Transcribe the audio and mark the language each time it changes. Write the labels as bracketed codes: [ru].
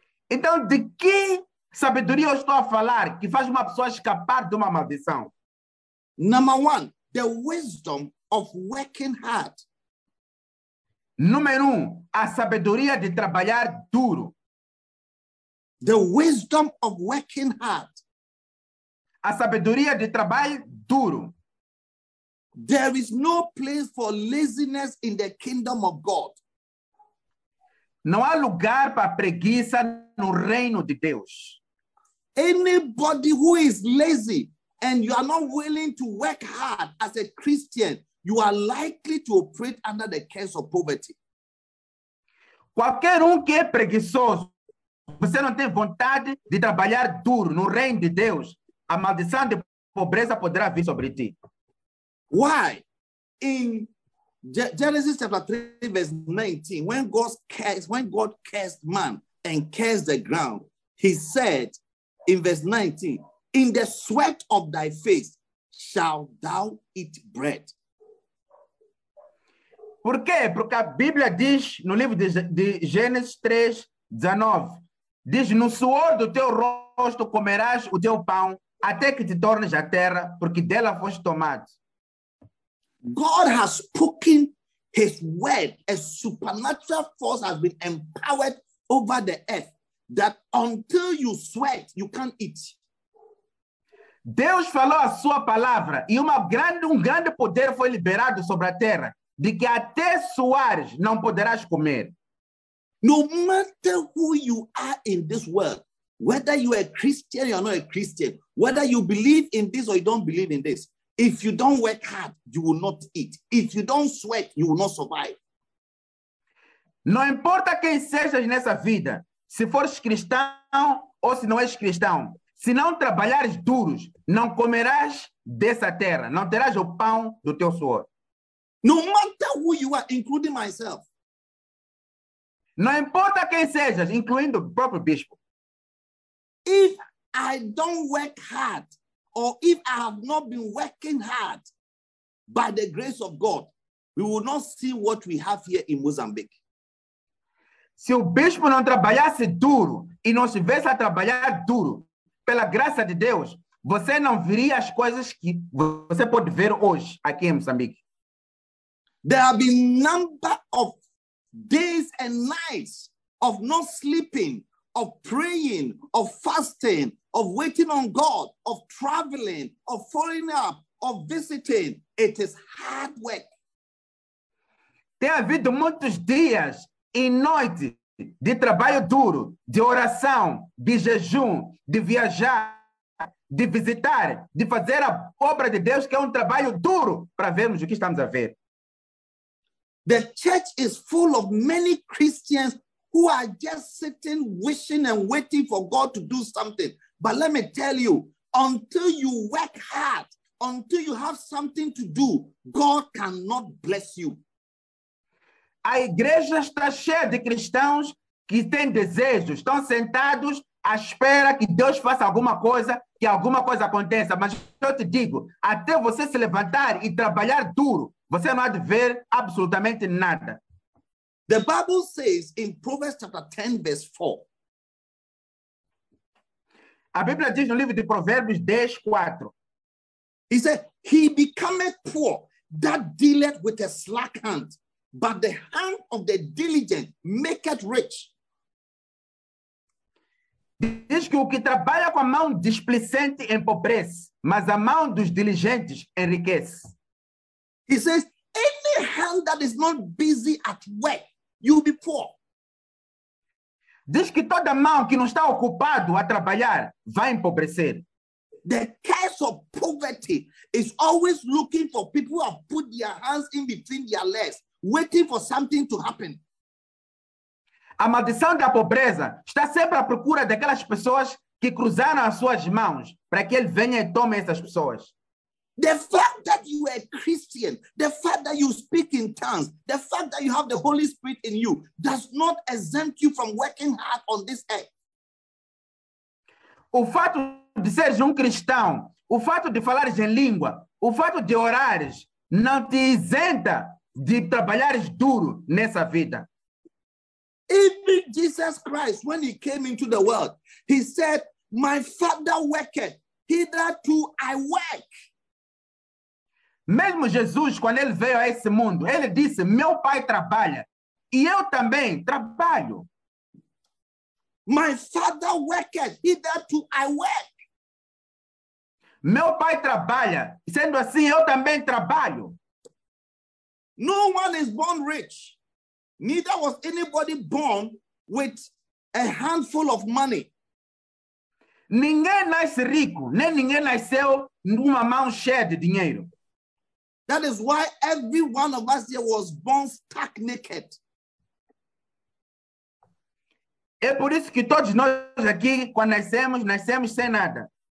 [pt] Então, de que sabedoria eu estou a falar que faz uma pessoa escapar de uma maldição? [en] Number one, the wisdom of working hard. [pt] Número um, a sabedoria de trabalhar duro. [en] The wisdom of working hard. [pt] A sabedoria de trabalho duro. [en] There is no place for laziness in the kingdom of God. [pt] Não há lugar para preguiça no reino de Deus. [en] Anybody who is lazy and you are not willing to work hard as a Christian, you are likely to operate under the curse of poverty. [pt] Qualquer um que é preguiçoso, você não tem vontade de trabalhar duro no reino de Deus, a maldição de pobreza poderá vir sobre ti. [en] Why? In Genesis chapter 3, verse 19, when God cursed man and cursed the ground, he said in verse 19, in the sweat of thy face shalt thou eat bread. [pt] Por quê? Porque a Bíblia diz no livro de Gênesis 3, 19, diz, no suor do teu rosto comerás o teu pão, até que te tornes a terra, porque dela foste tomado. [en] God has spoken his word. A supernatural force has been empowered over the earth that until you sweat, you can't eat. [pt] Deus falou a sua palavra e um grande poder foi liberado sobre a terra, de que até suares não poderás comer. [en] No matter who you are in this world, whether you are a Christian or not a Christian, whether you believe in this or you don't believe in this, if you don't work hard, you will not eat. If you don't sweat, you will not survive. [pt] Não importa quem sejas nessa vida, se fores cristão ou se não és cristão, se não trabalhares duros, não comerás dessa terra, não terás o pão do teu suor. [en] No matter who you are, including myself, [pt] não importa quem sejas, incluindo o próprio bispo. [en] If I don't work hard, or if I have not been working hard, by the grace of God, we will not see what we have here in Mozambique. [pt] Se o bispo não trabalhasse duro, e não estivesse a trabalhar duro, pela graça de Deus, você não veria as coisas que você pode ver hoje aqui em Mozambique. [en] There have been number of days and nights of not sleeping, of praying, of fasting, of waiting on God, of traveling, of following up, of visiting. It is hard work. [pt] Tem havido muitos dias e noites de trabalho duro, de oração, de jejum, de viajar, de visitar, de fazer a obra de Deus, que é trabalho duro para vermos o que estamos a ver. [en] The church is full of many Christians who are just sitting, wishing and waiting for God to do something. But let me tell you, until you work hard, until you have something to do, God cannot bless you. [pt] A igreja está cheia de cristãos que têm desejos, estão sentados à espera que Deus faça alguma coisa, que alguma coisa aconteça. Mas eu te digo, até você se levantar e trabalhar duro, você não há de ver absolutamente nada. [en] The Bible says in Proverbs chapter 10, verse 4. [pt] A Bíblia diz no livro de Provérbios 10, 4. [en] He said, he becometh poor, that dealeth with a slack hand, but the hand of the diligent maketh rich. [pt] Diz que o que trabalha com a mão displicente empobrece, mas a mão dos diligentes enriquece. [en] He says, any hand that is not busy at work, you'll be poor. [pt] Diz que toda mão que não está ocupado a trabalhar vai empobrecer. [en] The curse of poverty is always looking for people who have put their hands in between their legs, waiting for something to happen. [pt] A maldição da pobreza está sempre à procura daquelas pessoas que cruzaram as suas mãos para que ele venha e tome essas pessoas. [en] The fact that you are a Christian, the fact that you speak in tongues, the fact that you have the Holy Spirit in you, does not exempt you from working hard on this earth. [pt] O fato de seres cristão, o fato de falares em língua, o fato de orares, não te isenta de trabalhares duro nessa vida. [en] Even Jesus Christ, when he came into the world, he said, my father worketh, hitherto I work. [pt] Mesmo Jesus, quando ele veio a esse mundo, ele disse, meu pai trabalha, e eu também trabalho. [en] My father worketh, hitherto I work. [pt] Meu pai trabalha, sendo assim, eu também trabalho. [en] No one is born rich. Neither was anybody born with a handful of money. [pt] Ninguém nasce rico, nem ninguém nasceu numa mão cheia de dinheiro. [en] That is why every one of us here was born stark naked. [pt] É por isso que todos nós aqui, quando nascemos, nascemos sem nada.